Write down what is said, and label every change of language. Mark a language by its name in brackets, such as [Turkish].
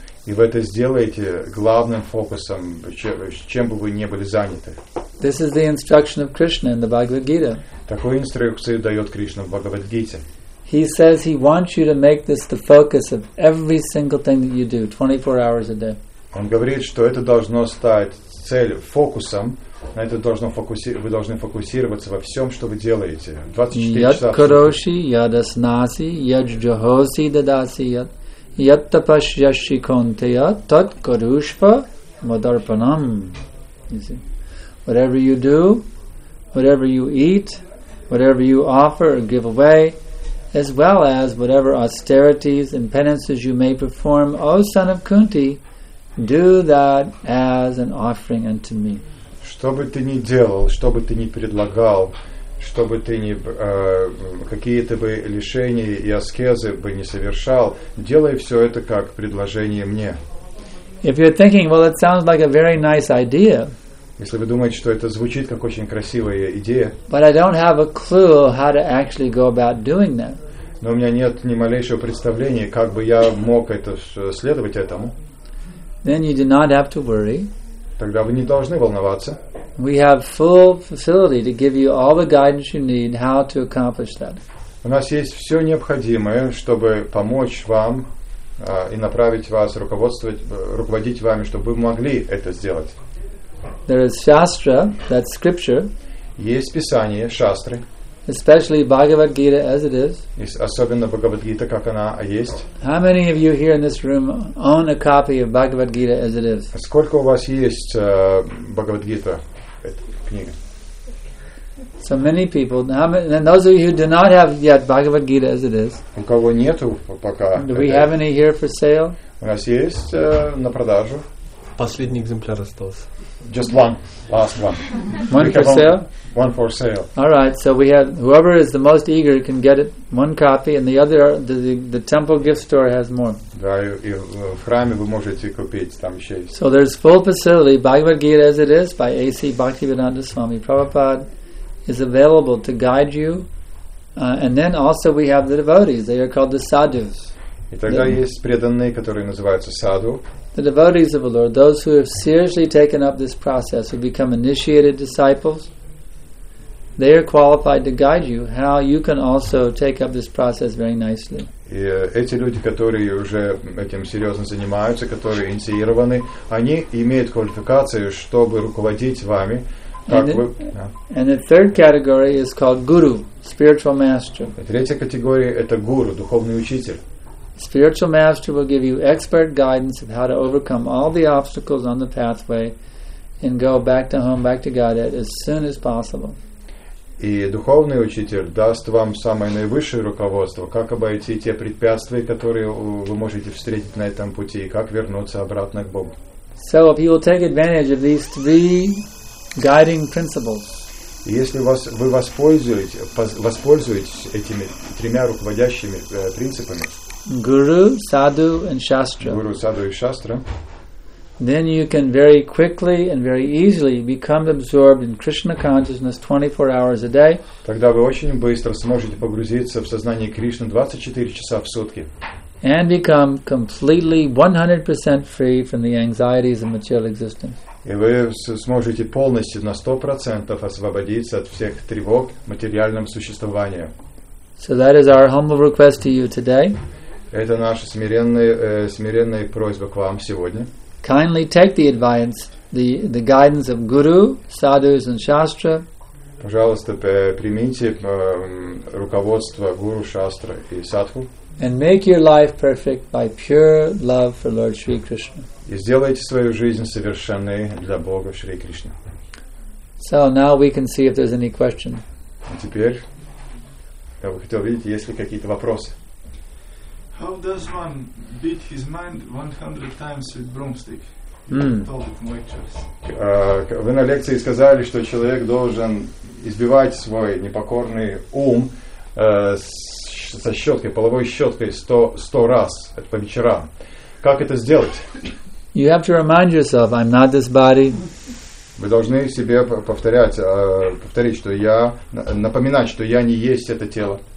[Russian] И вы это сделаете главным фокусом, чем бы вы ни были заняты. [English] This is the instruction of Krishna in the Bhagavad Gita. [Russian] Такую инструкцию дает Кришна в Бхагавад-гите. [English] He says he wants you to make this the focus of every single thing that you do, 24 hours a day. [Russian] Он говорит, что это должно стать целью, фокусом, на это должно вы должны фокусироваться во всем, что вы делаете. 24 яд часа. [Sanskrit] Яд кароши, яд аснаси, яд джохоси дадаси, яд. Yattapashyashi konteya tat karushva madarpanam. [English] You see. Whatever you do, whatever you eat, whatever you offer or give away, as well as whatever austerities and penances you may perform, O son of Kunti, do that as an offering unto me. [Russian] Что бы ты ни делал, что бы ты ни предлагал, что бы ты ни какие-то бы лишения и аскезы бы не совершал, делай все это как предложение мне. [English] If you're thinking, well, it sounds like a very nice idea. [Russian] Если вы думаете, что это звучит как очень красивая идея. [English] But I don't have a clue how to actually go about doing that. [Russian] Но у меня нет ни малейшего представления, как бы я мог это следовать этому. [English] Then you do not have to worry. [Russian] Тогда вы не должны волноваться. [English] We have full facility to give you all the guidance you need how to accomplish that. [Russian] У нас есть все необходимое, чтобы помочь вам и направить вас, руководить вами, чтобы вы могли это сделать. [English] There is shastra, that's scripture. [Russian] Есть писание, шастры. [English] Especially Bhagavad Gita as it is. [Russian] Особенно Бхагавад Гита, как она есть. [English] How many of you here in this room own a copy of Bhagavad Gita as it is? [Russian] Сколько у вас есть Бхагавад Гита? Книга. [English] So many people. And those of you who do not have yet Bhagavad Gita as it is. [Russian] У кого нету пока? [English] Do we have any here for sale? [Russian] У нас есть на продажу. Последний экземпляр остался. [English] Just one, last one. One for sale. One for sale. All right. So we have whoever is the most eager can get it one copy, and the other the temple gift store has more. [Russian] Да, и в храме вы можете купить там еще. [English] So there's full facility. Bhagavad Gita as it is by A.C. Bhaktivedanta Swami Prabhupada is available to guide you, and then also we have the devotees. They are called the sadhus. [Russian] И тогда есть преданные, которые называются саду. [English] The devotees of the Lord, those who have seriously taken up this process, who become initiated disciples, They are qualified to guide you how you can also take up this process very nicely. [Russian] И эти люди, которые уже этим серьезно занимаются, которые инициированы, они имеют квалификацию, чтобы руководить вами. [English] And the third category is called guru, spiritual master. [Russian] Третья категория – это гуру, духовный учитель. [English] Spiritual master will give you expert guidance of how to overcome all the obstacles on the pathway and go back to home, back to Godhead as soon as possible. [Russian] И духовный учитель даст вам самое наивысшее руководство, как обойти те препятствия, которые вы можете встретить на этом пути, и как вернуться обратно к Богу. [English] So if you will take advantage of these three guiding principles. [Russian] Если вы воспользуетесь этими тремя руководящими принципами, [English] Guru, Sadhu, and Shastra. Guru, Sadhu, and Shastra. Then you can very quickly and very easily become absorbed in Krishna consciousness 24 hours a day. [Russian] Тогда вы очень быстро сможете погрузиться в сознание Кришны 24 часа в сутки. [English] And become completely 100% free from the anxieties of material existence. [Russian] И вы сможете полностью на 100% освободиться от всех тревог материальным существованием. [English] So that is our humble request to you today. [Russian] Это наша смиренная просьба к вам сегодня. [English] Kindly take the advice, the guidance of Guru, Sadhus, and Shastra. [Russian] Пожалуйста, примите руководство Гуру, Шастра и Садху. [English] And make your life perfect by pure love for Lord Shri Krishna. [Russian] И сделайте свою жизнь совершенной для Бога Шри Кришна. [English] So now we can see if there's any question. [Russian] Теперь я бы хотел видеть, есть ли какие-то вопросы. [English] How does one beat his mind 100 times with broomstick? [Russian] Вы на лекции сказали, что человек должен избивать свой непокорный ум со щеткой, половой щеткой 100 раз, это по вечерам. Как это сделать? [English] You have to remind yourself, I'm not this body. [Russian] Вы должны себе повторить, что я напоминать, что я не есть это тело.